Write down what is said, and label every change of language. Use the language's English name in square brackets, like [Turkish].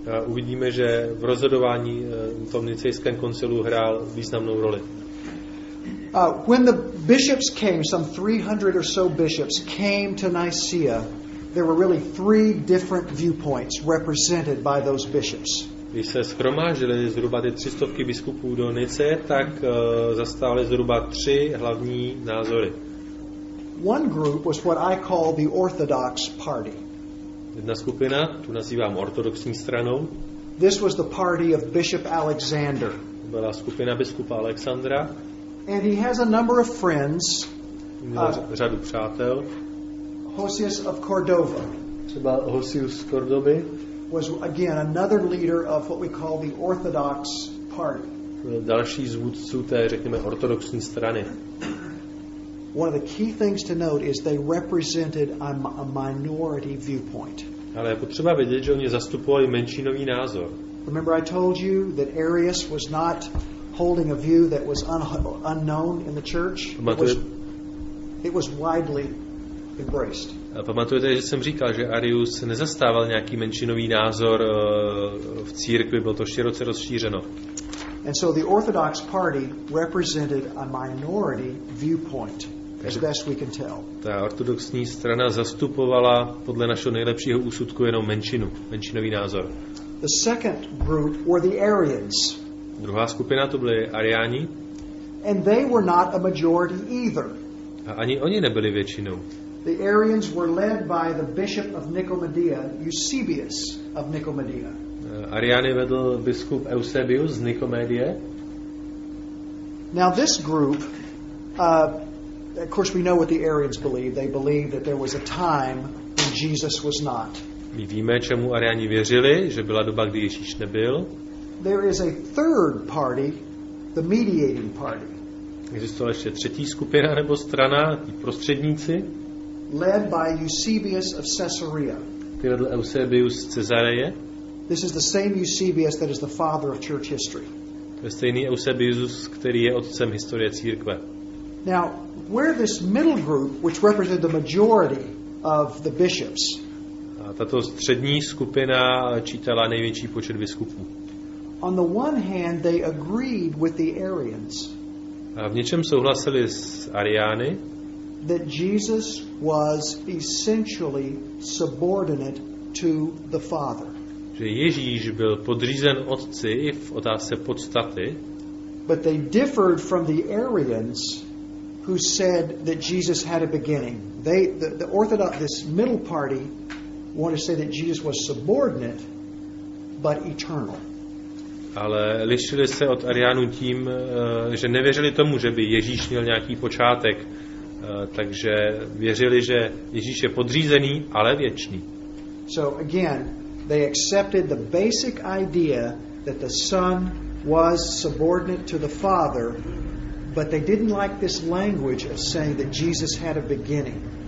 [Czech] Uvidíme, že v rozhodování v tom nicejském koncilu hrál významnou roli. [English] When the bishops came, some 300 or so bishops came to Nicaea, there were really three different viewpoints represented by those bishops. [Czech] Když se shromáždili zhruba ty 300 biskupů do Nice, tak zastávali zhruba tři hlavní názory. [English] One group was what I call the Orthodox Party. [Czech] Jedna skupina, tu nazývám ortodoxní stranou. [English] This was the party of Bishop Alexander. [Czech] Byla skupina biskupa Alexandra. [English] And he has a number of friends. [Czech] Měl řadu přátel. [English] Hosius of Cordova. [Czech] Třeba Hosius z Cordoby. [English] Was again another leader of what we call the Orthodox Party. [Czech] Další z vůdců té, řekněme, ortodoxní strany. [English] One of the key things to note is they represented a minority viewpoint. [Czech] Ale je potřeba vědět, že oni zastupovali menšinový názor. [English] Remember I told you that Arius was not holding a view that was unknown in the church? It was widely embraced. [Czech] Pamatujete, že jsem říkal, že Arius nezastával nějaký menšinový názor v církvi, bylo to široce rozšířeno. [English] And so the Orthodox Party represented a minority viewpoint, as best we can tell. [Czech] Ta ortodoxní strana zastupovala podle našeho nejlepšího úsudku jenom menšinu, menšinový názor. [English] The second group were the Arians. [Czech] Druhá skupina to byli Ariáni. [English] And they were not a majority either. [Czech] A ani oni nebyli většinou. [English] The Arians were led by the bishop of Nicomedia, Eusebius of Nicomedia. [Czech] Ariány vedl biskup Eusebius z Nicomedie. [English] Now this group, of course we know what the Arians believe. They believe that there was a time when Jesus was not. [Czech] My víme, čemu Ariáni věřili, že byla doba, kdy Ježíš nebyl. [English] There is a third party, the mediating party. [Czech] Existuje ještě třetí skupina nebo strana, ti prostředníci. [English] Led by Eusebius of Caesarea. [Czech] Ty vedl Eusebius z Cezareje. [English] This is the same Eusebius that is the father of church history. [Czech] To je stejný Eusebius, který je otcem historie církve. [English] Now, where this middle group, which represented the majority of the bishops, [Czech] a tato střední skupina čítala největší počet biskupů. [English] On the one hand, they agreed with the Arians. [Czech] A v něčem souhlasili s Ariány. [English] That Jesus was essentially subordinate to the Father. [Czech] Že Ježíš byl podřízen Otci v otázce podstaty. [English] But they differed from the Arians who said that Jesus had a beginning. The Orthodox, this middle party, want to say that Jesus was subordinate but eternal. [Czech] Ale lišili se od Ariánů tím, že nevěřili tomu, že by Ježíš měl nějaký počátek. Takže věřili, že Ježíš je podřízený, ale věčný. [English] So again, they accepted the basic idea that the Son was subordinate to the Father, but they didn't like this language of saying that Jesus had a beginning.